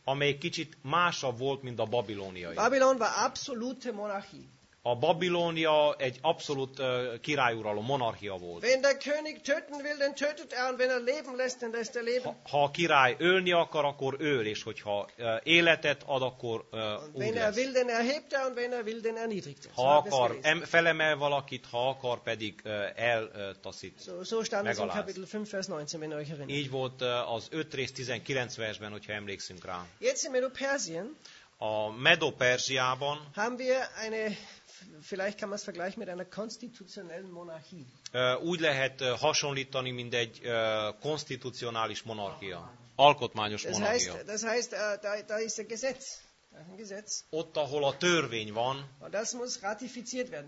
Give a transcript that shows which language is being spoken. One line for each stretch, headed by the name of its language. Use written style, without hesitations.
Hungarian: Amely kicsit másabb volt, mint a babiloniai.
German: Babylon war absolute Monarchie.
Hungarian: A Babilónia egy abszolút királyuralom, monarchia volt.
German: Wenn der König töten will, dann tötet er, und wenn er leben lässt, dann lässt er leben.
Hungarian: Ha a király ölni akar, akkor öl, és hogyha életet ad, akkor úgy lesz.
German: Wenn er will, dann erhebt er, und wenn er will, dann erniedrigt er.
Hungarian: Ha akar, felemel valakit, ha akar, pedig eltaszít,
German: so stand es in Kapitel 5, Vers 19, wenn ihr euch erinnert.
Hungarian: Így volt az 5 rész 19 versben, hogyha emlékszünk rá.
German: Jetzt in Medo-Persien,
Hungarian: a Medo-Persiában
German: haben wir eine, vielleicht kann man es vergleichen mit einer konstitutionellen Monarchie.
Hungarian: Úgy lehet hasonlítani, mint egy konstitucionális monarchia, alkotmányos monarchia.
German: Das heißt, da ist ein Gesetz. Da ist ein Gesetz.
Hungarian: Ott, ahol a törvény van.
German: Und das muss ratifiziert werden.